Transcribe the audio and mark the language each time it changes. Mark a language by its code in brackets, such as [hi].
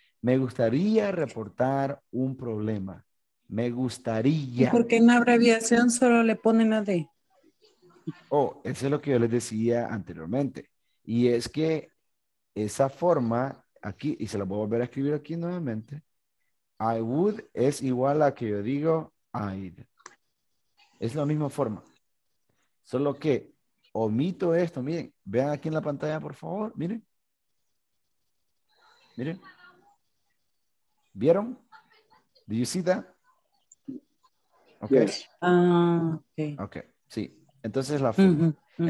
[es] Me gustaría reportar un problema. Me gustaría. ¿Por qué en abreviación solo le ponen a D? Oh, eso es lo que yo les decía anteriormente. Y es que esa forma aquí, y se lo voy a volver a escribir aquí nuevamente. [en] I would [es] es igual a que yo digo I'd. Es la misma forma. Solo que omito esto. Miren, vean aquí en la pantalla, por favor. Miren. ¿Vieron? [en] Do you see that? Okay. Yes. [es] Okay. Sí. Entonces la forma. Uh-huh.